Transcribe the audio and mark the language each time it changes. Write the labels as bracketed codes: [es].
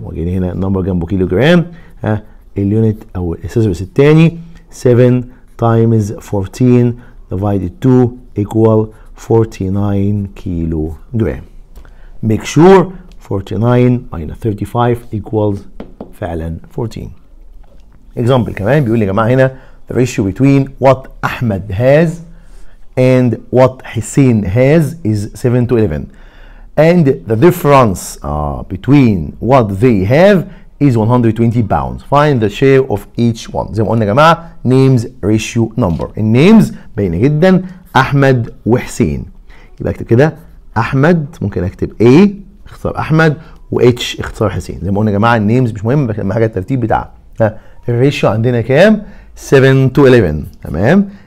[ar] وجينا هنا نمبر جنبه كيلوغرام. ها اليونت او السيزرس الثاني 7 تايمز 14 ديفايدد 2 ايكوال 49 كيلوغرام. ميك شور 49 ماينس 35 ايكوالز فعلا 14. اكزامبل كمان بيقول لي يا جماعه هنا [en] the ratio between what Ahmed has and what Hussein has is 7 to 11 and the difference between what they have is 120 pounds find the share of each one. [ar] زي ما قلنا يا جماعه [en] names ratio number names [ar] باينه جدا احمد وحسين. يبقى اكتب كده احمد ممكن اكتب A اختصار احمد و H اختصار حسين. زي ما قلنا يا جماعه names مش مهم بس حاجه الترتيب بتاعها. الريشيو عندنا كام؟ [en] 7 to 11 [ar] تمام.